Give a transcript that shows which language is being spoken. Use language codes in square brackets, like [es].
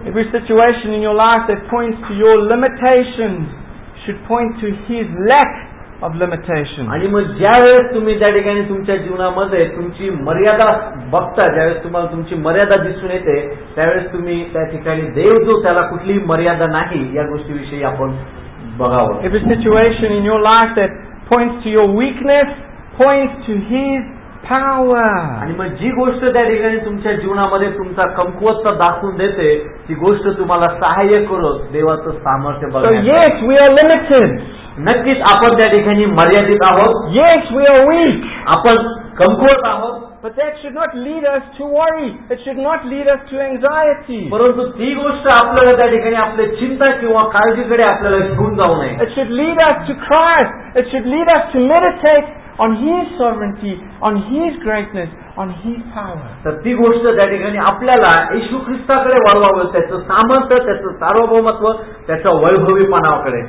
[en] Every situation in your life that points to your limitations should point to his lack of limitation. [mr] आणि मग ज्यावेळेस तुम्ही त्या ठिकाणी तुमच्या जीवनामध्ये तुमची मर्यादा बघता, ज्यावेळेस तुम्हाला तुमची मर्यादा दिसून येते त्यावेळेस तुम्ही त्या ठिकाणी देव जो त्याला कुठलीही मर्यादा नाही या गोष्टीविषयी आपण बघावं. [en] If a situation in your life that points to your weakness points to his power. [mr] आणि मग जी गोष्ट त्या ठिकाणी तुमच्या जीवनामध्ये तुमचा कमकुवतता दाखवून देते ती गोष्ट तुम्हाला सहाय्य करत देवाचं सामर्थ्य बघा. [en] Yes we are limited. [mr] नक्कीच आपण त्या ठिकाणी मर्यादित आहोत. [en] Yes we are weak. [mr] आपण कमकुवत आहोत. [en] But that should not lead us to worry. It should not lead us to anxiety. [mr] परंतु ती गोष्ट आपल्याला त्या ठिकाणी आपले चिंता किंवा काळजीकडे आपल्याला घेऊन जाऊ नये. [en] It should lead us to Christ. It should lead us to meditate on his sovereignty, on his greatness, on his power. [mr] तर ती गोष्ट त्या ठिकाणी आपल्याला येशू ख्रिस्ताकडे वळवावं, त्याचं सामर्थ्य, त्याचं सार्वभौमत्व, त्याचं वैभवीपणाकडे.